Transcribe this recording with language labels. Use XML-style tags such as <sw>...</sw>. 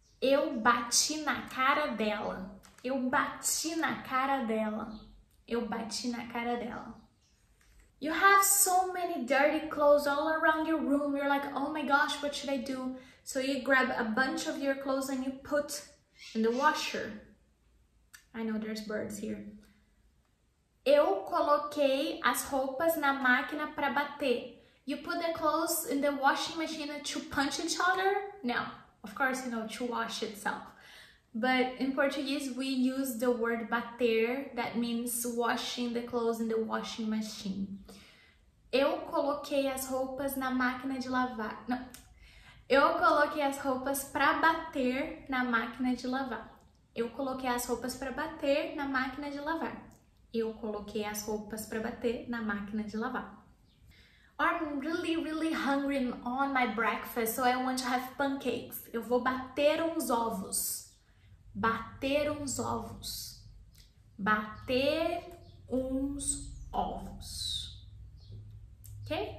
<pt>Eu bati na cara dela. Eu bati na cara dela. Eu bati na cara dela.</pt> <en>You have so many dirty clothes all around your room. You're like, oh my gosh, what should I do? So you grab a bunch of your clothes and you put in the washer. I know there's birds here.</en> <pt>Eu coloquei as roupas na máquina para bater.</pt> <en>You put the clothes in the washing machine to punch each other? No, of course, you know, to wash itself. But in Portuguese, we use the word bater, that means washing the clothes in the washing machine.</en> <pt>Eu coloquei as roupas na máquina de lavar. No. Eu coloquei as roupas para bater na máquina de lavar. Eu coloquei as roupas para bater na máquina de lavar. Eu coloquei as roupas para bater na máquina de lavar.</pt> <en>I'm really, really hungry on my breakfast, so I want to have pancakes.</en> <pt>Eu vou bater uns ovos. Bater uns ovos. Bater uns ovos. Okay?</pt>